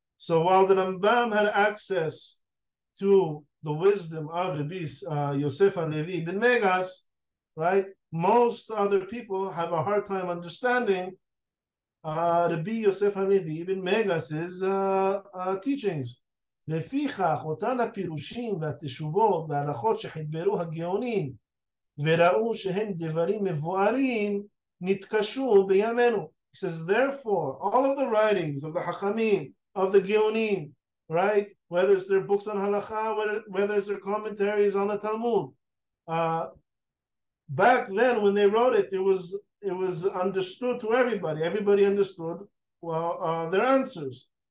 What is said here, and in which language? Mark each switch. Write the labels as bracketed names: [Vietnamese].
[English] So while the Rambam had access to the wisdom of Rabbi Yosef HaLevi ben Megas, right, most other people have a hard time understanding Rabbi Yosef HaLevi ibn Megas's teachings. [Hebrew] לפיכך, אותן הפירושים והתשובות וההלכות שחיברו הגאונים וראו שהם דברים מבוארים נתקשו בימינו. [English] He says, therefore, all of the writings of the Chachamim, of the Geonim, right, whether it's their books on Halakha, whether it's their commentaries on the Talmud, back then, when they wrote it, it was understood to everybody. Everybody understood their answers.